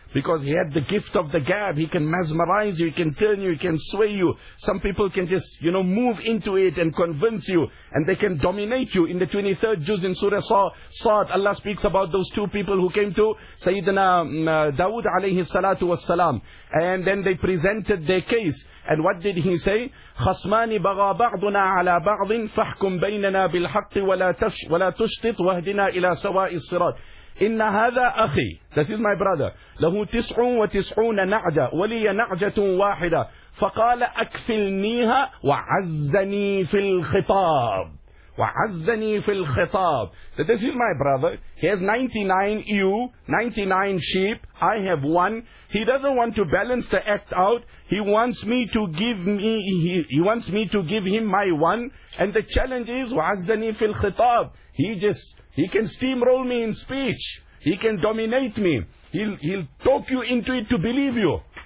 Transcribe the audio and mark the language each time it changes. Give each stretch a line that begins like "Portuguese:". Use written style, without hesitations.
English: Because he had the gift of the gab. He can mesmerize you, he can turn you, he can sway you. Some people can just, you know, move into it and convince you. And they can dominate you. In the 23rd juz in Surah Sa'd, Allah speaks about those two people who came to Sayyidina Dawood alayhi salatu was salam. And then they presented their case. And what did he say?
Arabic: خَصْمَانِ بَغَى بَعْضُنَا عَلَى بَعْضٍ فَحْكُمْ بَيْنَنَا بِالْحَقِّ وَلَا تُشْتِطْ وَهْدِنَا إِلَى سَوَاءِ الصِّرَاطِ إِنَّ هَذَا أَخِي
English: This is my brother.
Arabic: لَهُ تِسْعٌ وَتِسْعُونَ نَعْجَةً وَلِيَ نَعْجَةٌ وَاحِدَةً فَقَالَ أَكْفِلْنِيهَا وَعَزَّنِي فِي الْخِطَابِ وَعَزَّنِي فِي الْخِطَابِ
English: So this is my brother. He has 99 ewe, 99 sheep. I have one. He doesn't want to balance the act out. He wants me to give him my one. And the challenge is,
Arabic: وَعَزَّنِي فِي الْخِطَابِ
English: He can steamroll me in speech. He can dominate me. He'll talk you into it to believe you.